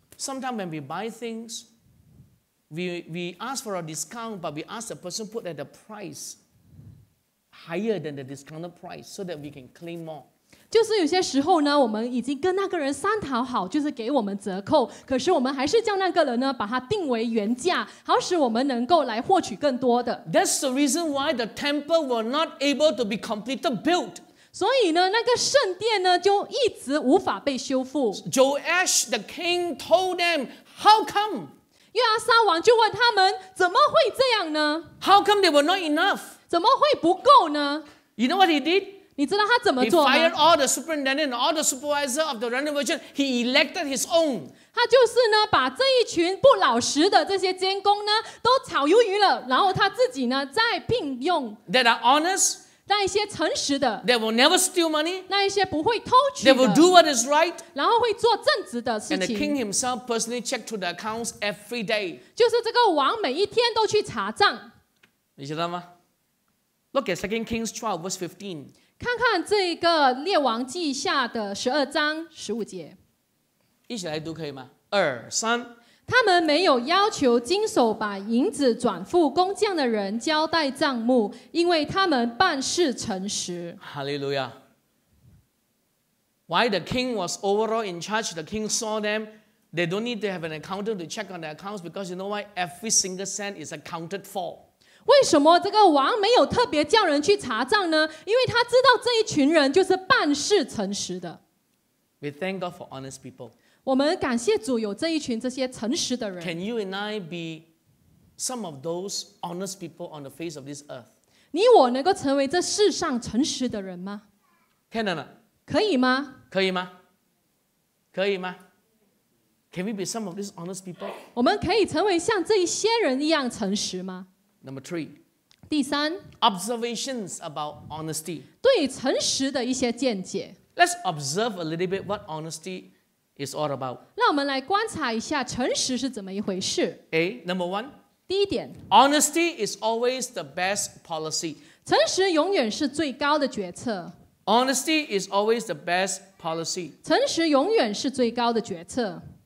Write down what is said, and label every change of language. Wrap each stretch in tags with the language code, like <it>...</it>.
<en>Sometimes when we buy things, we ask for a discount, but we ask the person put at the price higher than the discounted price so that we can claim more.</en> <zh>就是有些时候呢，我们已经跟那个人商讨好，就是给我们折扣，可是我们还是叫那个人呢，把它定为原价，好使我们能够来获取更多的。</zh> <en>That's the reason why the temple was not able to be completed built.</en> <zh>所以呢，那个圣殿呢，就一直无法被修复。</zh> <en>Joash the king told them, "How come?"</en> <zh>约阿撒王就问他们，怎么会这样呢</zh> <en>？How come they were not enough?</en> <zh>怎么会不够呢</zh> <en>？You know what he did?</en> <zh>你知道他怎么做吗</zh> <en>？He fired all the superintendent, all the supervisor of the renovation. He elected his own.</en> <zh>他就是呢，把这一群不老实的这些监工呢，都炒鱿鱼了，然后他自己呢，再聘用。</zh> <en>That are honest.</en> <zh>那一些诚实的。</zh> <en>That will never steal money.</en> <zh>那一些不会偷取的。</zh> <en>That will do what is right.</en> <zh>然后会做正直的事情。</zh> <en>And the king himself personally checked to the accounts every day.</en> <zh>就是这个王每一天都去查账。</zh> <en>你知道吗？Look at 2 Kings 12 verse 15.</en> <zh>看看这个列王记下的十二章十五节，一起来读可以吗？二三，他们没有要求经手把银子转付工匠的人交代账目，因为他们办事诚实。哈利路亚。</zh> <en>While the king was overall in charge, the king saw them. They don't need to have an accountant to check on their accounts because you know why? Every single cent is accounted for.</en> <zh>为什么这个王没有特别叫人去查账呢？因为他知道这一群人就是办事诚实的。</zh> <en>We thank God for honest people.</en> <zh>我们感谢主有这一群这些诚实的人。</zh> <en>Can you and I be some of those honest people on the face of this earth?</en> <zh>你我能够成为这世上诚实的人吗</zh> <en>？Can or not?</en> <zh>可以吗？可以吗？可以吗？</zh> <en>Can we be some of these honest people?</en> <zh>我们可以成为像这一些人一样诚实吗？</zh> <en>Number three,</en> <zh>第三</zh> <en>observations about honesty.</en> <zh>对诚实的一些见解</zh> <en>Let's observe a little bit what honesty is all about.</en> <zh>让我们来观察一下诚实是怎么一回事</zh> <en>A, number one,</en> <zh>第一点</zh> <en>honesty is always the best policy.</en> <zh>诚实永远是最高的决策</zh> <en>Honesty is always the best policy.</en> <zh>诚实永远是最高的决策</zh>